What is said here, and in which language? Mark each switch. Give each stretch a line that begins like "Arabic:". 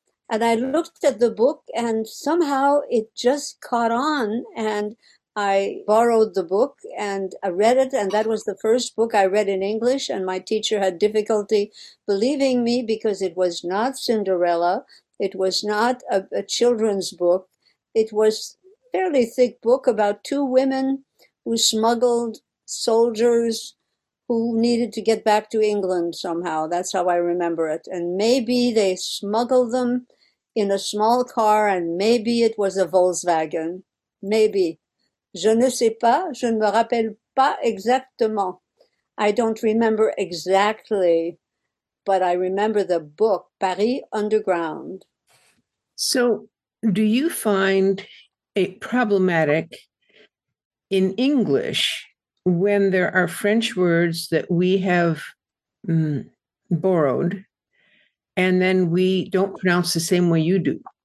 English: And I looked at the book and somehow it just caught on, and I borrowed the book and I read it, and that was the first book I read in English, and my teacher had difficulty believing me because it was not Cinderella, it was not a children's book, it was a fairly thick book about two women who smuggled soldiers who needed to get back to England somehow. That's how I remember it. And maybe they smuggled them in a small car, and maybe it was a Volkswagen.
French: Maybe. Je ne sais pas. Je ne me rappelle pas exactement.
English: I don't remember exactly, but I remember the book, Paris Underground. So do you find it problematic in English when there are French words that we have borrowed and then we don't pronounce the same way you do?